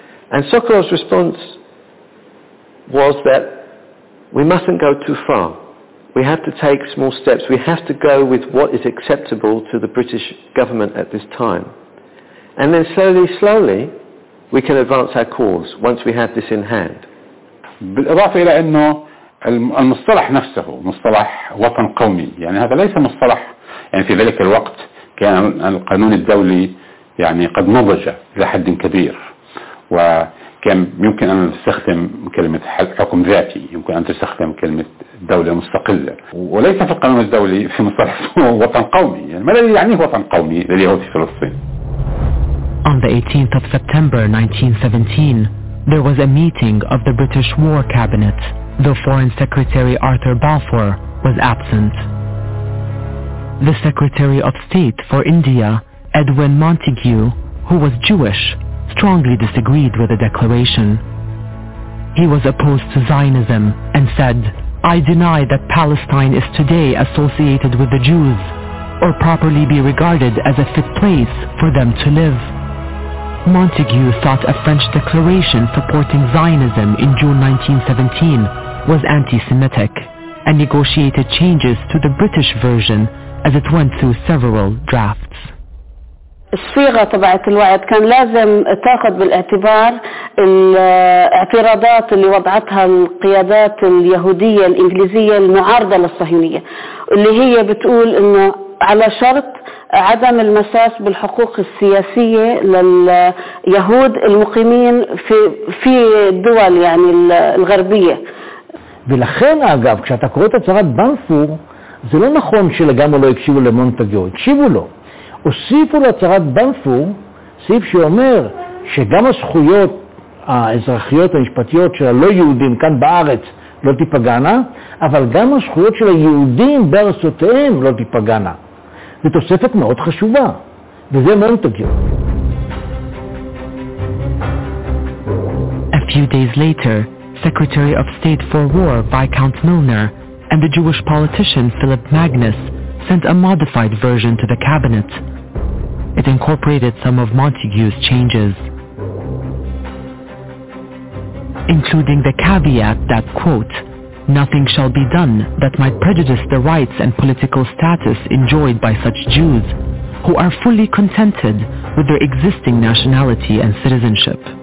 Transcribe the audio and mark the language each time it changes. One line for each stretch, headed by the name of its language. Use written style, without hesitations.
English: And Sokol's response was that we mustn't go too far. We have to take small steps. We have to go with what is acceptable to the British government at this time. And then slowly, slowly, we can advance our cause once we have this in hand.
Arabic: بالإضافة إلى أنه المصطلح نفسه مصطلح وطن قومي يعني هذا ليس مصطلح يعني في ذلك الوقت كان القانون الدولي يعني قد نضج إلى حد كبير وكان يمكن أن تستخدم كلمة حكم ذاتي يمكن أن تستخدم كلمة دولة مستقلة وليس في القانون الدولي في مصطلح وطن قومي يعني ما الذي يعنيه وطن قومي لليهود في فلسطين.
English: On the 18th of September 1917, there was a meeting of the British War Cabinet, though Foreign Secretary Arthur Balfour was absent. The Secretary of State for India, Edwin Montagu, who was Jewish, strongly disagreed with the declaration. He was opposed to Zionism and said, "I deny that Palestine is today associated with the Jews, or properly be regarded as a fit place for them to live." Montagu thought a French declaration supporting Zionism in June 1917 was anti-Semitic and negotiated changes to the British version as it went through several drafts.
Arabic: الصيغة تبعت الوعد كان لازم تاخذ بالاعتبار الاعتراضات اللي وضعتها القيادات اليهودية الإنجليزية المعارضة للصهيونية اللي هي بتقول انه على شرط عدم المساس بالحقوق السياسية لليهود المقيمين في الدول يعني الغربية.
Hebrew: ולכן אגב כשאתה קורא את הצהרת בלפור זה לא נכון שלגמרי לא הקשיבו למונטגו, הקשיבו לו. הוסיפו להצהרת בלפור סעיף שאומר שגם הזכויות האזרחיות המשפטיות של הלא יהודים כאן בארץ לא תיפגענה, אבל גם הזכויות של היהודים בארצותיהם לא תיפגענה. זה תוספת מאוד חשובה, וזה מונטגו.
English: A few days later, Secretary of State for War Viscount Milner and the Jewish politician Philip Magnus sent a modified version to the cabinet. It incorporated some of Montague's changes, including the caveat that, quote, "Nothing shall be done that might prejudice the rights and political status enjoyed by such Jews, who are fully contented with their existing nationality and citizenship."